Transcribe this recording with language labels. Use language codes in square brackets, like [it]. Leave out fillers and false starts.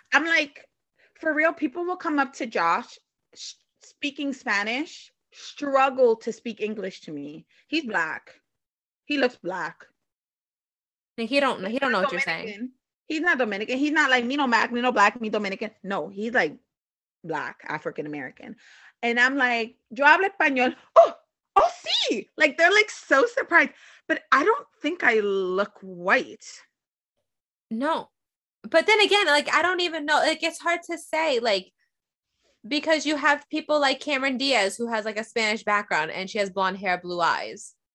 [en] I'm like, for real, people will come up to Josh speaking Spanish, struggle to speak English to me. He's black. He looks black. He don't know what you're saying. He's not Dominican. He's not like me, no black, me, no black, me, Dominican. No, he's like black, African-American. And I'm like, [es] yo hablo español. [en] Oh, see, like, they're like so surprised, but I don't think I look white. No, but then again, like, I don't even know. Like, it's hard to say, like, because you have people like Cameron Diaz who has like a Spanish background and she has blonde hair, blue eyes.